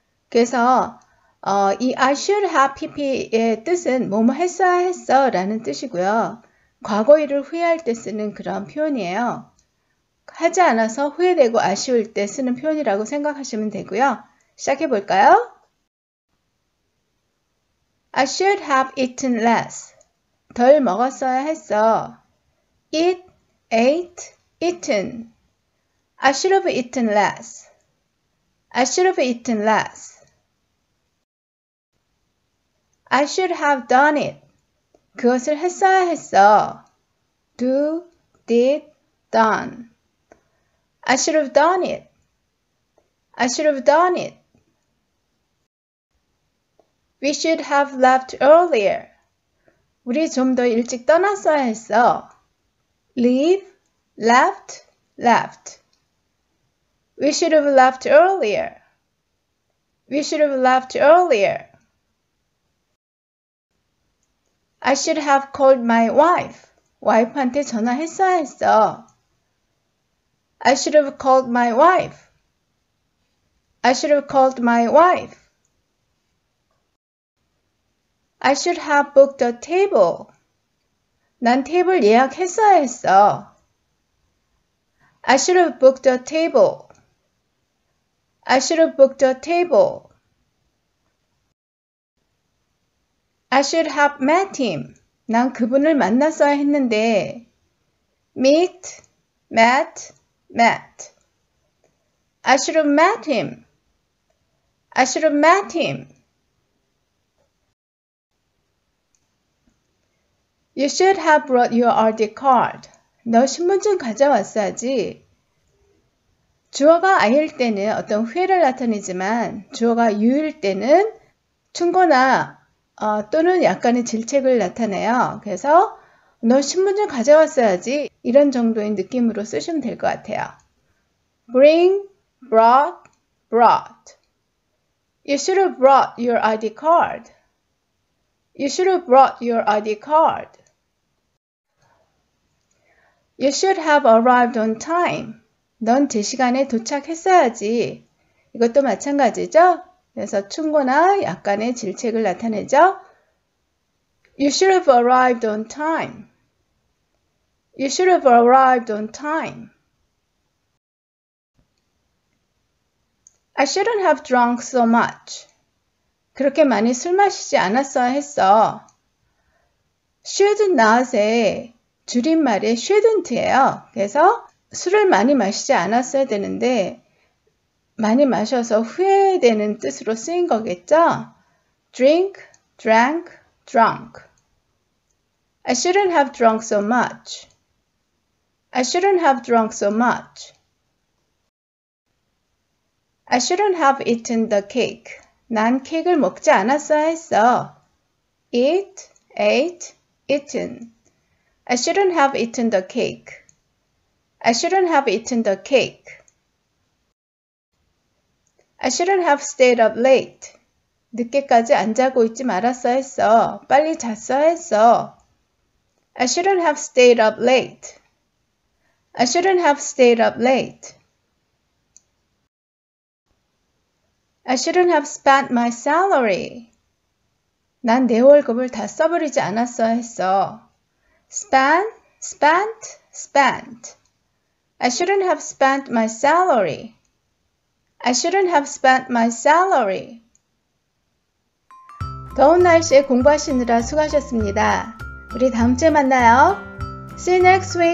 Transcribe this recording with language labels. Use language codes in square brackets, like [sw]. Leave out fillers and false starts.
[ko] 그래서 이 I should have PP의 뜻은 뭐뭐 했어야 했어 라는 뜻이고요. 과거 일을 후회할 때 쓰는 그런 표현이에요. 하지 않아서 후회되고 아쉬울 때 쓰는 표현이라고 생각하시면 되고요. 시작해 볼까요? [en] I should have eaten less. [ko] 덜 먹었어야 했어. [en] Eat, ate, eaten. I should have eaten less. I should have eaten less. I should have done it. [ko] 그것을 했어야 했어. [en] Do, did, done. I should have done it. I should have done it. We should have left earlier. [ko] 우리 좀 더 일찍 떠났어야 했어. [en] Leave, left, left. We should have left earlier. We should have left earlier. I should have called my wife. [ko] 와이프한테 전화했어야 했어. [en] I should have called my wife. I should have called my wife. I should have booked a table. [ko] 난 테이블 예약했어야 했어. [en] I should have booked a table. I should have booked a table. I should have met him. [ko] 난 그분을 만났어야 했는데. [en] Meet, met, met. I should have met him. I should have met him. You should have brought your ID card. [ko] 너 신분증 가져왔어야지. 주어가 I일 때는 어떤 후회를 나타내지만 주어가 U일 때는 충고나 또는 약간의 질책을 나타내요. 그래서 너 신분증 가져왔어야지 이런 정도의 느낌으로 쓰시면 될 것 같아요. [en] Bring, brought, brought. You should have brought your ID card. You should have brought your ID card. You should have arrived on time. [ko] 넌 제 시간에 도착했어야지. 이것도 마찬가지죠? 그래서 충고나 약간의 질책을 나타내죠? [en] You should have arrived on time. You should have arrived on time. I shouldn't have drunk so much. [ko] 그렇게 많이 술 마시지 않았어야 했어. Should not의 줄임말이 shouldn't예요. 그래서 술을 많이 마시지 않았어야 되는데 많이 마셔서 후회되는 뜻으로 쓰인 거겠죠? [en] Drink, drank, drunk. I shouldn't have drunk so much. I shouldn't have drunk so much. I shouldn't have eaten the cake. [ko] 난 케이크를 먹지 않았어야 했어. [en] Eat, ate, eaten. I shouldn't have eaten the cake. I shouldn't have eaten the cake. I shouldn't have stayed up late. [ko] 늦게까지 안 자고 있지 말았어야 했어. 빨리 잤어야 했어. [en] I shouldn't have stayed up late. I shouldn't have stayed up late. I shouldn't have spent my salary. [ko] 난 내 월급을 다 써버리지 않았어야 했어. [en] Spent, spent, spent. I shouldn't have spent my salary. I shouldn't have spent my salary. [ko] 더운 날씨에 공부하시느라 수고하셨습니다. 우리 다음 주에 만나요. [en] See you next week.